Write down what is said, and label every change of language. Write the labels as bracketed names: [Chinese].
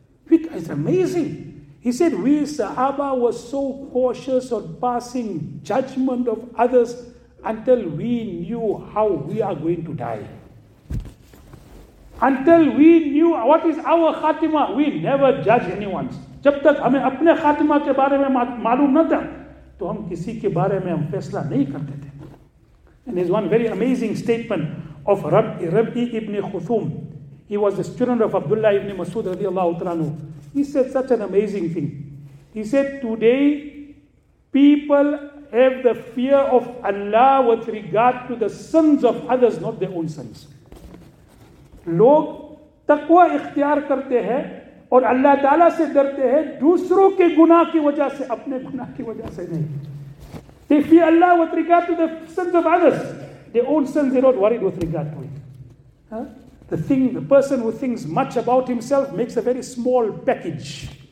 [English] It's amazing. He said, we sahaba were so cautious of passing judgment of others until we knew how we are going to die. Until we knew what is our khatima, we never judge anyone's. [Urdu] جب تک ہمیں اپنے خاتمہ کے بارے میں معلوم نہ تھا تو ہم کسی کے بارے میں ہم فیصلہ نہیں کرتے تھے. [English] And there's one very amazing statement of Rabi ibn Khuthum. He was a student of Abdullah ibn Masud رضی اللہ تعالیٰ عنہ. He said such an amazing thing. He said, today people have the fear of Allah with regard to the sins of others, not their own sins. [Urdu] لوگ تقوی اختیار کرتے ہیں اور اللہ تعالیٰ سے ڈرتے ہیں دوسروں کے گناہ کی وجہ سے, اپنے گناہ کی وجہ سے نہیں. [English] They fear Allah with regard to the sins of others. Their own sins, they're not worried with regard to it. Huh? The person who thinks much about himself makes a very small package.